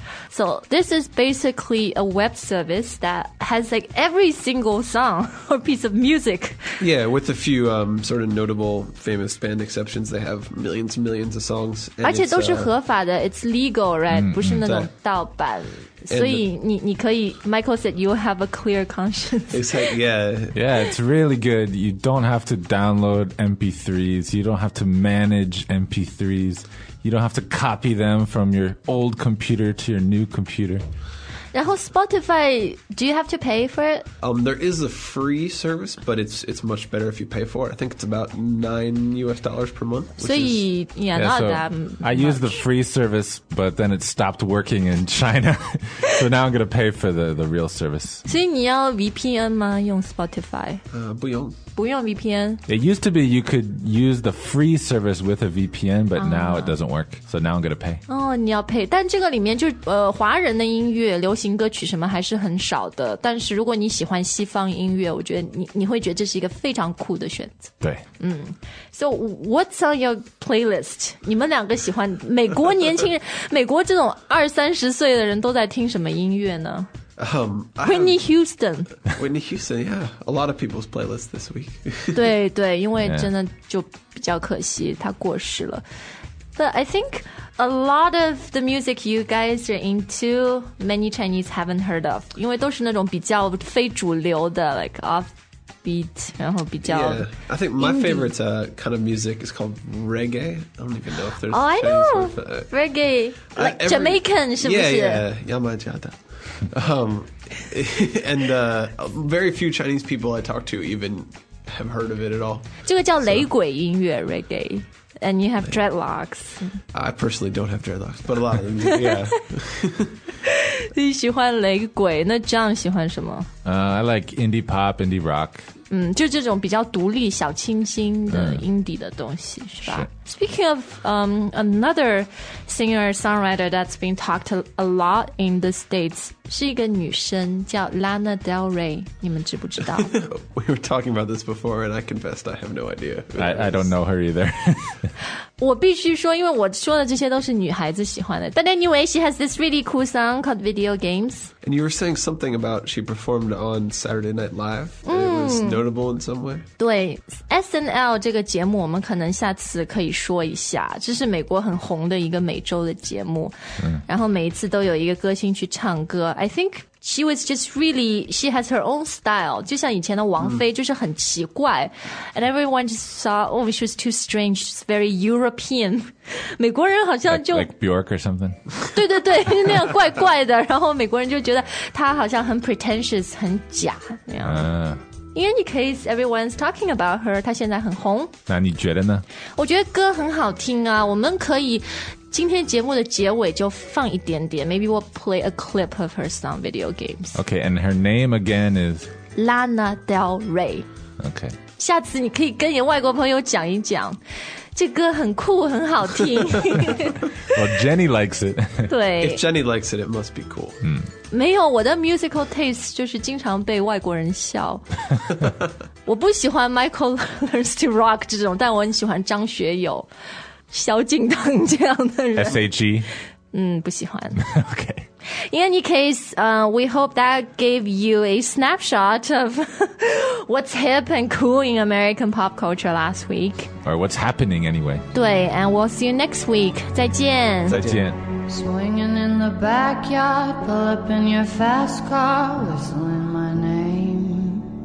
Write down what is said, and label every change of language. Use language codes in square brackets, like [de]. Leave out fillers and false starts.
[en] So this is basically a web service that has like every single song or piece of music. Yeah, with a few sort of notable famous band exceptions, they have millions and millions of songs. And [zh] 而且都是合法的, [en] it's legal, right? [zh] 不是那种盗版。所以你可以 [en] Michael said you have a clear conscience. Exactly, yeah. Yeah, it's really good. You don't have to download MP3s. You don't have to manage MP3s. You don't have to copy them from your old computer to your new computer. [zh] 然后 [en] Spotify, do you have to pay for it? There is a free service, but it's much better if you pay for it. I think it's about $9 per month. So, I use the free service, but then it stopped working in China. So now I'm going to pay for the real service. [zh] 所以你要 VPN 吗用 Spotify? 不用。不用 VPN? [en] It used to be you could use the free service with a VPN, but now it doesn't work. So now I'm going to pay. [zh] 哦、 [en] oh, [zh] 你要 pay. 但这个里面就是、华人的音乐流行歌曲什么还是很少的。但是如果你喜欢西方音乐我觉得 你会觉得这是一个非常酷的选择。对。 [en] So what's on your playlist? [zh] 你们两个喜欢美国年轻人美国这种二三十岁的人都在听什么音乐呢Whitney Houston. [en] Whitney Houston, yeah. A lot of people's playlist this week. [zh] 对对因为真的就比较可惜他过世了。 [en] But I think a lot of the music you guys are into, many Chinese haven't heard of. [zh] 因为都是那种比较非主流的 [en] like offbeat, [zh] 然后比较 [en] Yeah, I think my favorite、kind of music is called reggae. I don't even know if there's a Chinese word for that. Reggae, like Jamaican, [zh] 是不是 [en] Yeah, Yamajada. very few Chinese people I talk to even have heard of it at all. [zh] 这个叫雷鬼音乐 [en] reggae, and you have dreadlocks. I personally don't have dreadlocks, but a lot of them, yeah. [zh] 你喜欢雷鬼，那 John 喜欢什么？ [en] I like indie pop, indie rock. [zh] 就这种比较独立、小清新的 indie 的东西，是吧？ [en] Speaking of another singer-songwriter that's been talked a lot in the States, [zh] 是一个女生叫 [en] Lana Del Rey, [zh] 你们知不知道? [en] We were talking about this before, and I confessed I have no idea. I don't know her either. [zh] 我必须说,因为我说的这些都是女孩子喜欢的。 [en] But anyway, she has this really cool song called Video Games. And you were saying something about she performed on Saturday Night Live, and it was notable in some way? [zh] 对, SNL 这个节目我们可能下次可以可以说一下，这是美国很红的一个每周的节目，然后每一次都有一个歌星去唱歌。 [en] I think she was just really, she has her own style, [zh] 就像以前的王菲就是很奇怪。 [en] And everyone just saw, oh, she was too strange, she's very European. [zh] 美国人好像就 [en] like Bjork or something. [zh] 对对对，那样怪怪的，然后美国人就觉得她好像很 pretentious, 很假那样。 [en] In any case, everyone's talking about her. [zh] 她现在很红。那你觉得呢？我觉得歌很好听啊。我们可以今天节目的结尾就放一点点。 [en] Maybe we'll play a clip of her song, Video Games. Okay, and her name again is? Lana Del Rey. Okay. [zh] 下次你可以跟你外国朋友讲一讲。这歌很酷，很好听。 [en] Well, Jenny likes it. [zh] 对。 [en] If Jenny likes it, it must be cool. [zh] 没有，我的 [en] musical taste [zh] 就是经常被外国人笑。我不喜欢 Michael Learns to Rock 这种，但我很喜欢张学友、萧敬腾这样的人。 [en] S.H.E.? [zh] 不喜欢。 [en] Okay. In any case, we hope that gave you a snapshot of what's hip and cool in American pop culture last week. Or what's happening anyway. [zh] 对, [en] and we'll see you next week. [zh] 再见。再见。 [en] Swinging in the backyard, pull up in your fast car, whistling my name.